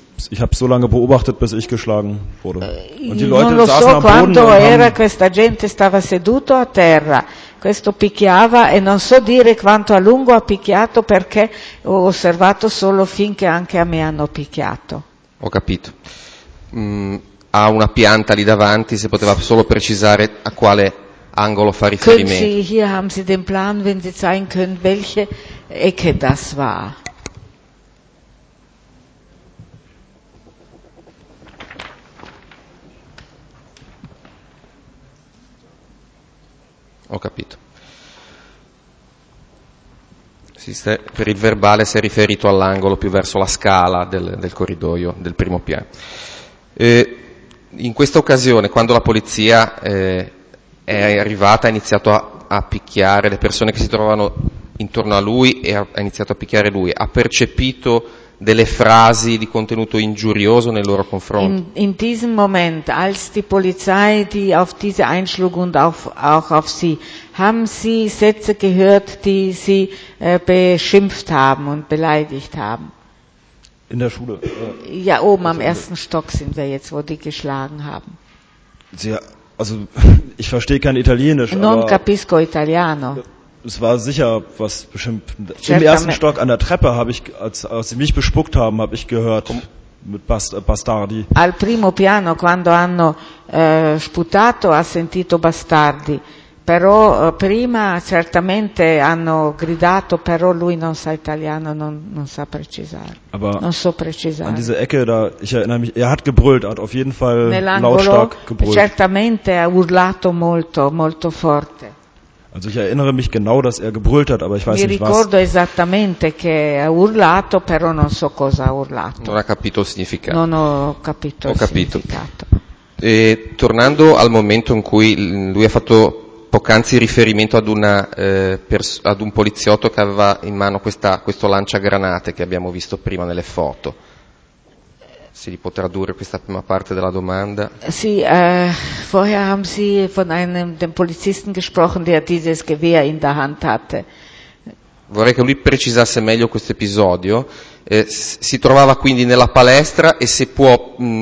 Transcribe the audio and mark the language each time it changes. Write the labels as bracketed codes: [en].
[de] Ich habe so lange beobachtet, bis ich geschlagen wurde. Und die Leute saßen am Boden. [it] Non so quanto era questa gente stava seduto a terra. Questo picchiava e non so dire quanto a lungo ha picchiato perché ho osservato solo finché anche a me hanno picchiato. Ho capito. Ha una pianta lì davanti, se poteva solo precisare a quale angolo fa riferimento. [de] Können Sie, hier haben Sie den Plan, wenn Sie zeigen können, welche Ecke das war. [it] Ho capito. Per il verbale si è riferito all'angolo più verso la scala del corridoio del primo piano. In questa occasione, quando la polizia è arrivata, ha iniziato a picchiare le persone che si trovavano intorno a lui e ha iniziato a picchiare lui, ha percepito delle frasi di contenuto ingiurioso nei loro confronti. [de] In diesem Moment, als die Polizei die auf diese einschlug und auch auf sie, haben sie Sätze gehört, die sie beschimpft haben und beleidigt haben. In der Schule. Ja, oben am ersten Stock sind wir jetzt, wo die geschlagen haben. Sie, also ich verstehe kein Italienisch. [it] Non capisco italiano. [de] Es war sicher, was bestimmt. Im ersten Stock an der Treppe habe ich, als sie mich bespuckt haben, habe ich gehört mit Bastardi. [it] Al primo piano, quando hanno sputato, ha sentito bastardi. Però prima certamente hanno gridato, però lui non sa italiano, non sa precisare. [de] Aber [it] non so precisare. [de] An diese Ecke da, ich erinnere mich, er hat gebrüllt, hat auf jeden Fall lautstark gebrüllt. [it] Certamente ha urlato molto, molto forte. [de] Also ich erinnere mich genau, dass er gebrüllt hat, aber ich weiß [it] mi [de] nicht was. [it] Mi ricordo esattamente che ha urlato, però non so cosa ha urlato. Non ha capito il significato. Non ho capito ho il capito. Significato. E, tornando al momento in cui lui ha fatto poc'anzi riferimento ad una ad un poliziotto che aveva in mano questo lanciagranate che abbiamo visto prima nelle foto. Se li può tradurre questa prima parte della domanda. Sì, [de] vorher haben Sie von dem Polizisten gesprochen, der dieses Gewehr in der Hand hatte. [it] Vorrei che lui precisasse meglio questo episodio. Si trovava quindi nella palestra e se può.